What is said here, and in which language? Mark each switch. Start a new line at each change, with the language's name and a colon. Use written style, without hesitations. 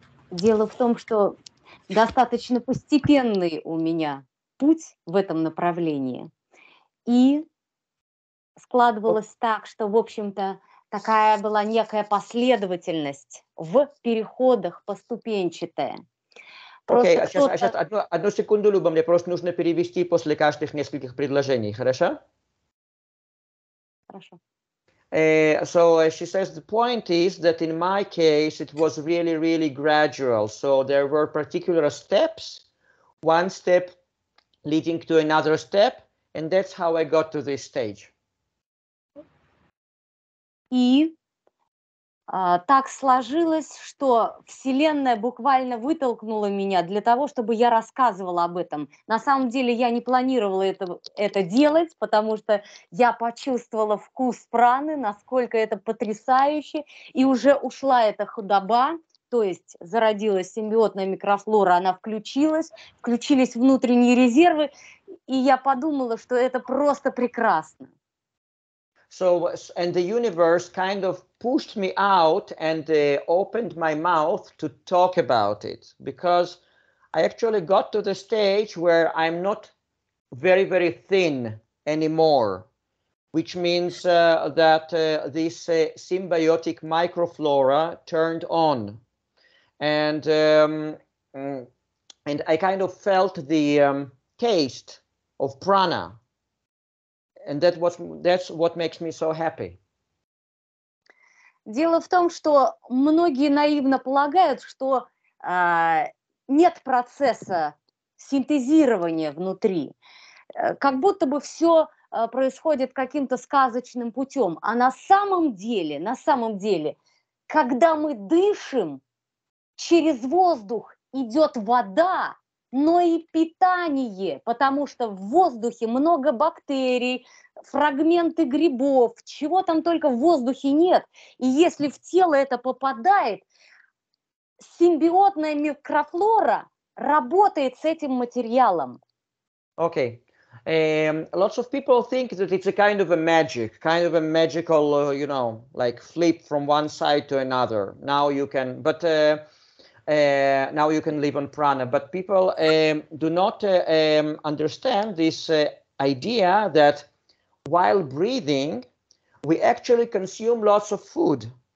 Russian: Дело в том, что достаточно постепенный у меня путь в этом направлении, и складывалось так, что, в общем-то, такая была некая последовательность в переходах поступенчатая. Окей, сейчас одну секунду, Люба, мне просто нужно перевести после каждых нескольких предложений, хорошо?
English: So she says the point is that in my case it was really, really gradual. So there were particular steps, one step leading to another step, and that's how I got to this stage.
Russian: И так сложилось, что Вселенная буквально вытолкнула меня для того, чтобы я рассказывала об этом. На самом деле я не планировала это делать, потому что я почувствовала вкус праны, насколько это потрясающе, и уже ушла эта худоба, то есть зародилась симбиотная микрофлора, она включились внутренние резервы, и я подумала, что это просто прекрасно.
English: So, and the universe kind of pushed me out and opened my mouth to talk about it, because I actually got to the stage where I'm not very, very thin anymore, which means that this symbiotic microflora turned on. And I kind of felt the taste of prana. And that's what makes me so happy.
Russian: Дело в том, что многие наивно полагают, что нет процесса синтезирования внутри. Как будто бы все происходит каким-то сказочным путем. А на самом деле, когда мы дышим, через воздух идет вода, но и питание, потому что в воздухе много бактерий, фрагменты грибов, чего там только в воздухе нет. И если в тело это попадает, симбиотная микрофлора работает с этим материалом.
English: Okay. Lots of people think that it's a kind of a magic, kind of a magical, you know, like flip from one side to another. Now you can, but now you can live on prana. But people do not understand this idea that while breathing, we actually consume lots of food.